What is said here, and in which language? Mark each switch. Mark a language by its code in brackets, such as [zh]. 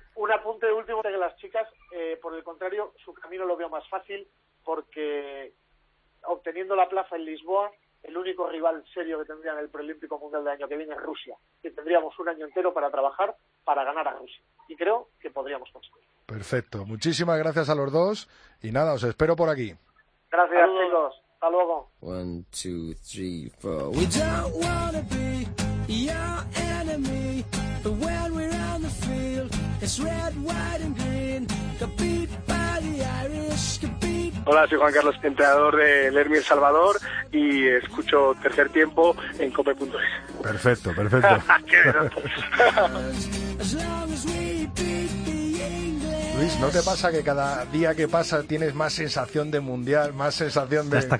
[es] Un apunte último de las chicas. Por el contrario, su camino lo veo más fácil porque obteniendo la plaza en Lisboa, el único rival serio que tendría en el preolímpico mundial del año que viene es Rusia. Que tendríamos un año entero para trabajar para ganar a Rusia. Y creo que podríamos conseguir. Perfecto. Muchísimas gracias a los dos. Y nada, os espero por aquí. Gracias, saludos, chicos. Hasta luego. [en] 1, 2, 3, 4. We don't wanna be your enemy. But when we're on the field, it's red, white and green. Compete by the Irish. [es] Hola, soy Juan Carlos, entrenador de Lermi El Salvador, y escucho Tercer Tiempo en cope.es. Perfecto, perfecto. ¡Qué verdad! Luis, ¿no te pasa que cada día que pasa tienes más sensación de mundial, más sensación de...